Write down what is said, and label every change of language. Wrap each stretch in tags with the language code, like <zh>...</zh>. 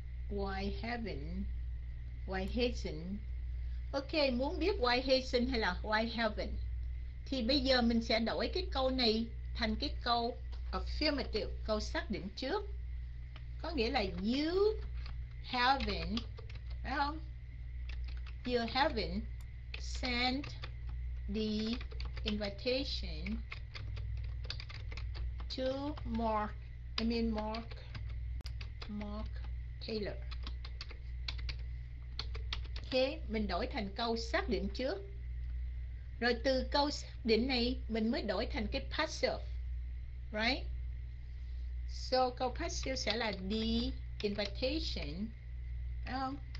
<en>Why haven't? Why hasten? Ok,</en> <vi>muốn biết</vi> <en>why hasten hay là why haven't?</en> <vi>Thì bây giờ mình sẽ đổi cái câu này thành cái câu affirmative, câu xác định trước. Có nghĩa là</vi> <en>you haven't,</en> <vi>phải không?</vi> <en>You haven't sent the invitation to Mark, I mean Mark Taylor.</en> <vi>Ok, mình đổi thành câu xác định trước. Rồi từ câu xác định này mình mới đổi thành cái passive. Right? So câu passive sẽ là</vi> <en>the invitation.</en> <vi>Phải không?</vi>